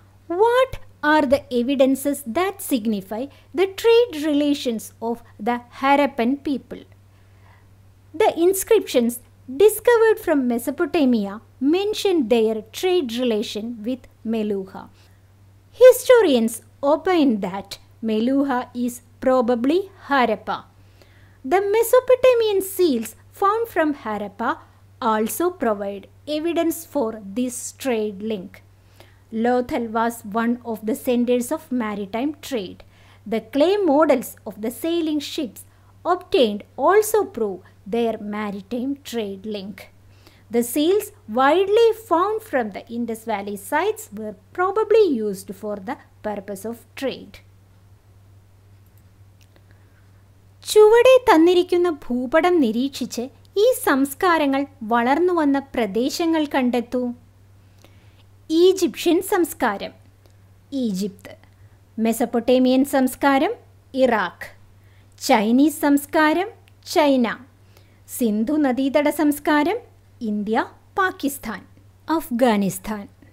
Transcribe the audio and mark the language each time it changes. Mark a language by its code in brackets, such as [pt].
[en] What are the evidences that signify the trade relations of the Harappan people? The inscriptions discovered from Mesopotamia mention their trade relation with Meluhha. Historians opine that Meluhha is probably Harappa. The Mesopotamian seals found from Harappa also provide evidence for this trade link. Lothal was one of the centers of maritime trade. The clay models of the sailing ships obtained also prove their maritime trade link. The seals widely found from the Indus Valley sites were probably used for the purpose of trade. [ml] ചുവടെ തന്നിരിക്കുന്ന ഭൂപടം നിരീക്ഷിച്ച് ഈ സംസ്കാരങ്ങൾ വളർന്നു വന്ന പ്രദേശങ്ങൾ കണ്ടെത്തൂ. ഈജിപ്ഷ്യൻ സംസ്കാരം ഈജിപ്ത്, മെസപ്പൊട്ടേമിയൻ സംസ്കാരം ഇറാഖ്, ചൈനീസ് സംസ്കാരം ചൈന, സിന്ധു നദീതട സംസ്കാരം ഇന്ത്യ, പാകിസ്ഥാൻ, അഫ്ഗാനിസ്ഥാൻ.